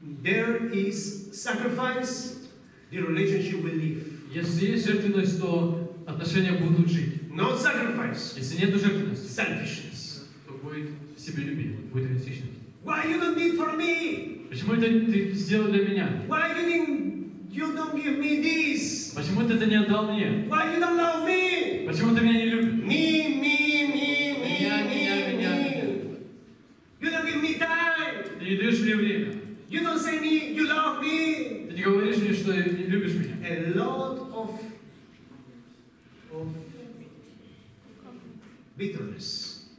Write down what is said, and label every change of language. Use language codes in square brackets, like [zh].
[en] There is sacrifice, the relationship will live. [ru] Если есть жертвенность, то отношения будут жить. [en] Not sacrifice. [ru] Если нет жертвенности, [en] selfishness. [ru] То будет себелюбие, будет эгоистичность. [en] Why you don't need for me? [ru] Почему это ты сделал для меня? [en] Why you didn't, you don't give me this? [ru] Почему ты это не отдал мне? [en] Why you don't love me? [ru] Почему ты меня не любишь? [en] Me, me, me, me, [ru] меня, [en] me, [ru] меня, [en] me. [ru] Меня. [en] You don't give me time. [ru] Ты не даешь мне время. [en] You don't say me, you love me. [ru] Ты не говоришь мне, что не любишь меня. [en] A lot of bitterness.